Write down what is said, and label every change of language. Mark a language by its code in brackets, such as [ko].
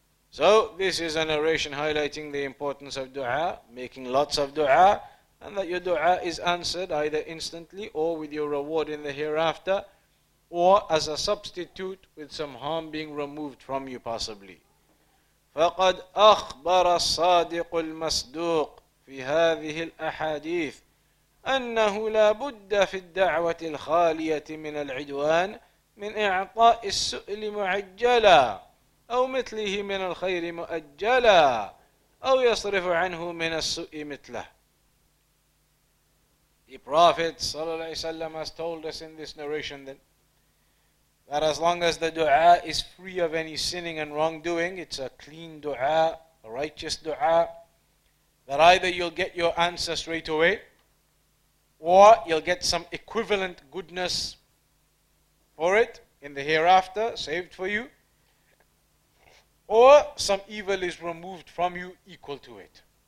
[en] So, this is a narration highlighting the importance of du'a, making lots of du'a, and that your du'a is answered either instantly or with your reward in the hereafter, or as a substitute with some harm being removed from you possibly. [ar] فَقَدْ أَخْبَرَ الصَّادِقُ الْمَصْدُوقُ فِي هَذِهِ الْأَحَادِيثِ أَنَّهُ لَا بُدَّ فِي الدَّعْوَةِ الْخَالِيَةِ مِنَ الْعِدْوَانِ من إعطاء السؤل معجلا أو مثله من الخير مؤجلا أو يصرف عنه من السوء مثله. [en] The Prophet ﷺ has told us in this narration then that as long as the dua is free of any sinning and wrongdoing, it's a clean dua, a righteous dua, that either you'll get your answer straight away or you'll get some equivalent goodness for it in the hereafter, saved for you, or some evil is removed from you equal to it.